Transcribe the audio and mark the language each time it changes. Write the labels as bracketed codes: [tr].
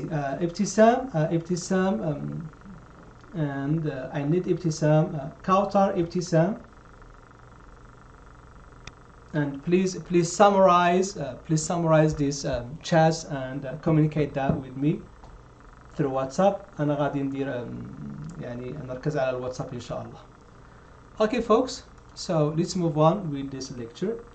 [en] Ibtisam, and I need Ibtisam, Kautar, Ibtisam, and please summarize this chat and communicate that with me through WhatsApp. [ar] أنا غادي ندير يعني نركز على الواتساب إن شاء الله. [en] Okay folks, so let's move on with this lecture.